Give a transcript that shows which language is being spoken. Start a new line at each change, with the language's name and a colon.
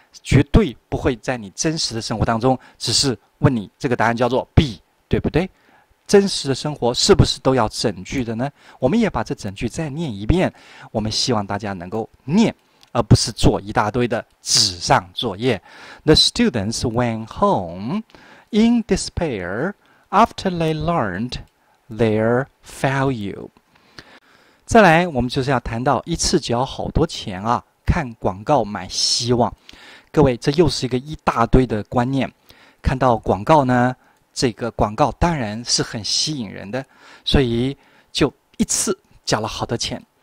Chinese: 绝对不会在你真实的生活当中，只是问你这个答案叫做 B，对不对？真实的生活是不是都要整句的呢？我们也把这整句再念一遍。我们希望大家能够念，而不是做一大堆的纸上作业。
English: The students went home in despair after they learned their value。
Chinese: 再来，我们就是要谈到一次只要好多钱啊，看广告买希望。各位，这又是一个一大堆的观念。看到广告呢，这个广告当然是很吸引人的，所以就一次交了好多钱。